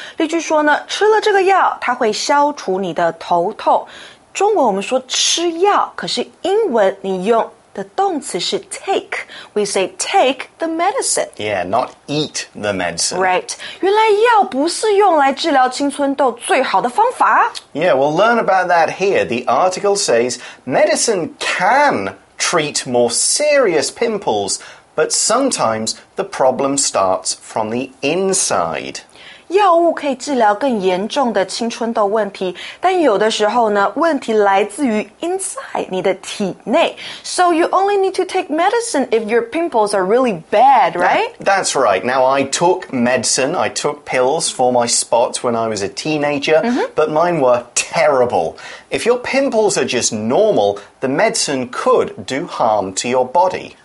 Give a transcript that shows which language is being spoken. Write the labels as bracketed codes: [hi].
[zh] 例句说呢，吃了这个药，它会消除你的头痛。中文我们说吃药，可是英文你用的动词是 take. [en] We say take the medicine. Yeah, not eat the medicine. Right. [zh] 原来药不是用来治疗青春痘最好的方法。 [en] Yeah, we'll learn about that here. The article says medicine can treat more serious pimples, but sometimes the problem starts from the inside. [zh] 药物可以治疗更严重的青春痘问题，但有的时候呢，问题来自于 inside 你的体内。 [en] So you only need to take medicine if your pimples are really bad, right? That's right. Now I took medicine, I took pills for my spots when I was a teenager, but mine were terrible. If your pimples are just normal, the medicine could do harm to your body.